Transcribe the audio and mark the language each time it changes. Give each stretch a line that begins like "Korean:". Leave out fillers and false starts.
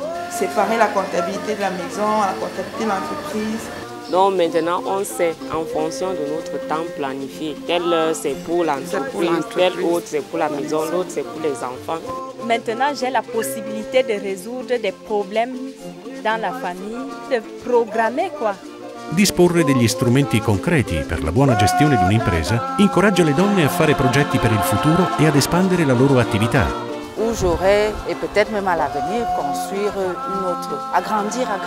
French: Séparer la comptabilité de la maison, la comptabilité de l'entreprise. Donc maintenant, on sait en fonction de notre temps planifié. Telle c'est pour l'entreprise, telle autre c'est pour la maison, l'autre c'est pour les enfants. Maintenant, j'ai la possibilité de résoudre des problèmes dans la famille, de programmer quoi.
Italian: Disporre degli strumenti concreti per la buona gestione di un'impresa incoraggia le donne a fare progetti per il futuro e ad espandere la loro attività.
French: J'aurai e peut-être même à l'avenir construire une autre, agrandir.